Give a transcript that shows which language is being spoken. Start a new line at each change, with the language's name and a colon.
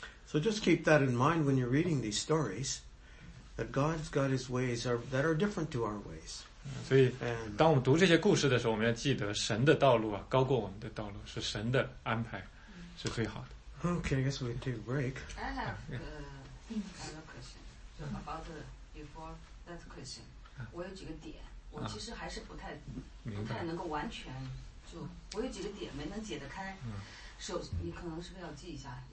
English: So just keep that in mind when you're reading these stories, that God's got his ways are, that are different to our ways.
Chinese: 所以当我们读这些故事的时候，我们要记得神的道路啊，高过我们的道路，是神的安排是最好的。
English: Okay, I guess we take a break. I have another question about the before that question.
Chinese: 我有几个点，我其实还是不太能够完全就我有几个点没能解得开。首先，你可能是不是要记一下？